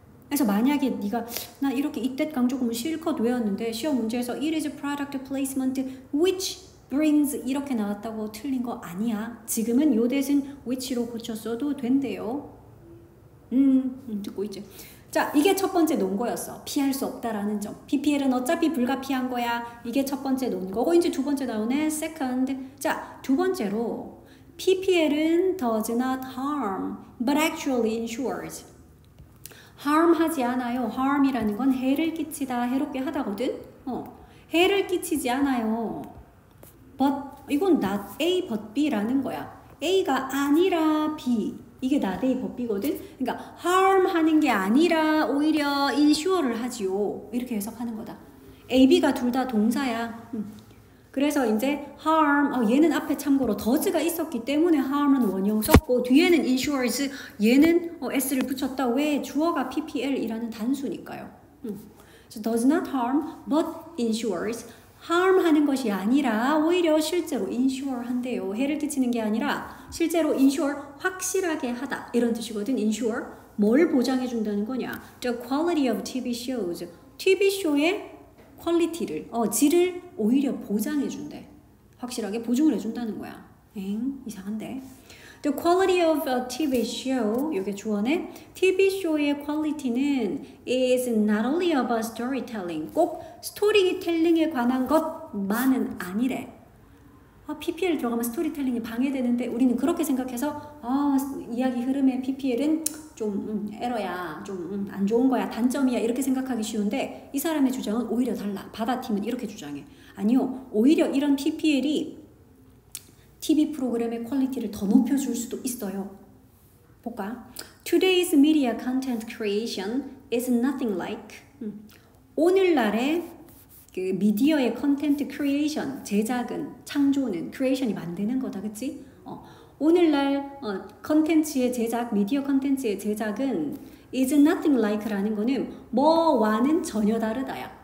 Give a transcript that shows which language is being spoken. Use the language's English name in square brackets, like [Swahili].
[Korean] 그래서 만약에 네가 나 이렇게 이때 강조구문 실컷 외웠는데 시험 문제에서 [English] it is product placement which brings [Korean] 이렇게 나왔다고 틀린 거 아니야. 지금은 요 대신 which로 고쳐 써도 된대요. 듣고 있지? 자, 이게 첫 번째 논거였어. 피할 수 없다라는 점. PPL은 어차피 불가피한 거야. 이게 첫 번째 논거고, 이제 두 번째 나오네. Second. 자, 두 번째로. [English] PPL은 does not harm, but actually ensures. [Korean] harm 하지 않아요. harm이라는 건 해를 끼치다, 해롭게 하다거든? 해를 끼치지 않아요. but, 이건 not A, but B라는 거야. A가 아니라 B. 이게 not A, but B거든? 그러니까, harm 하는 게 아니라 오히려 ensure를 하지요. 이렇게 해석하는 거다. A, B가 둘다 동사야. 그래서 이제 harm, 얘는 앞에 참고로 does가 있었기 때문에 harm은 원형 썼고, 뒤에는 ensures, 얘는 s를 붙였다. 왜? 주어가 PPL이라는 단수니까요. [English] So does not harm, but ensures. [Korean] harm 하는 것이 아니라 오히려 실제로 ensure 한대요. 해를 끼치는 게 아니라 실제로 ensure 확실하게 하다. 이런 뜻이거든. ensure 뭘 보장해 준다는 거냐? [English] The quality of TV shows. [Korean] TV 쇼의 퀄리티를, 질을 오히려 보장해 준대. 확실하게 보증을 해 준다는 거야. 엥? 이상한데. [English] The quality of a TV show, [Korean] 이게 주어네. [English] TV show의 퀄리티는 is not only about storytelling. [Korean] 꼭 스토리텔링에 관한 것만은 아니래. PPL 들어가면 스토리텔링이 방해되는데 우리는 그렇게 생각해서 이야기 흐름에 PPL은 좀 에러야, 좀안 좋은 거야, 단점이야 이렇게 생각하기 쉬운데 이 사람의 주장은 오히려 달라. 바다팀은 이렇게 주장해. 아니요, 오히려 이런 PPL이 TV 프로그램의 퀄리티를 더 높여줄 수도 있어요. 볼까? [English] Today's media content creation is nothing like. [Korean] 오늘날의 그 미디어의 content creation, 제작은, 창조는, creation이 만드는 거다, 그치? 오늘날 컨텐츠의 제작, 미디어 컨텐츠의 제작은 [English] is nothing like [Korean] 라는 거는 뭐와는 전혀 다르다야.